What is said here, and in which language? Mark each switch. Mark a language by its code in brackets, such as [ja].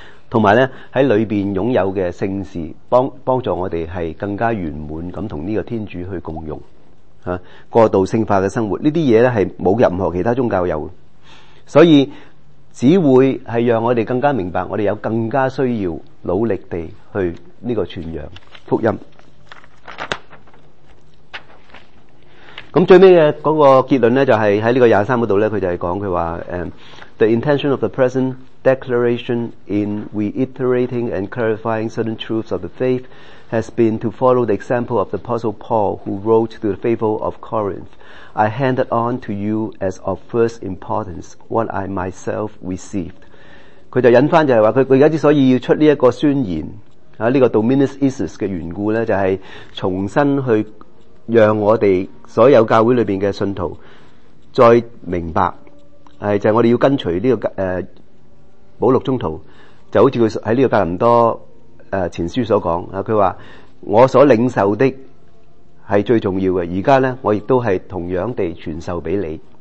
[zh] 還有呢在裏面擁有的聖事 幫助我們是更加圓滿地跟這個天主去共用過度聖化的生活，這些東西是沒有任何其他宗教有的，所以只會是讓我們更加明白我們有更加需要努力地去這個傳揚福音。那最後的那個結論呢，就是在這個23那裡，他就是說，他說 [en] The intention of the present declaration in reiterating and clarifying certain truths of the faith has been to follow the example of the Apostle Paul who wrote to the faithful of Corinth,I handed on to you as of first importance what I myself received。 [zh] 他就引回就是說，他現在之所以要出這個宣言，這個 Dominus Isis 的緣故呢，就是重新去讓我們所有教會裡面的信徒再明白，就是我們要跟隨這個保祿宗徒，就好像他在這個格林多前書所說，他說我所領受的是最重要的，現在呢我亦都是同樣地傳授給你，